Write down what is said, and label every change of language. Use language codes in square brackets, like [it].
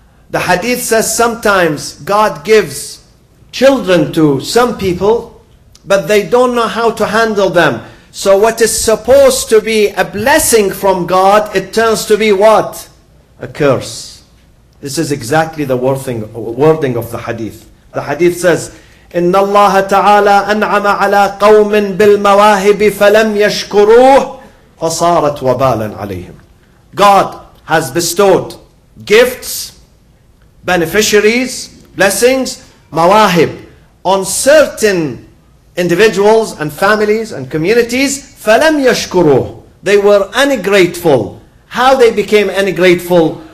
[en] The hadith says sometimes God gives children to some people, but they don't know how to handle them. So what is supposed to be a blessing from God, it turns to be what? A curse. This is exactly the wording of the hadith. The hadith says, [ar] إِنَّ اللَّهَ تَعَالَىٰ أَنْعَمَ عَلَىٰ قَوْمٍ بِالْمَوَاهِبِ فَلَمْ يَشْكُرُوهُ فَصَارَتْ وَبَالًا عَلَيْهِمْ. [en] God has bestowed gifts, beneficiaries, blessings, مواهب, on certain individuals and families and communities, [ar] فَلَمْ يَشْكُرُوا. [en] They were ungrateful. How they became ungrateful?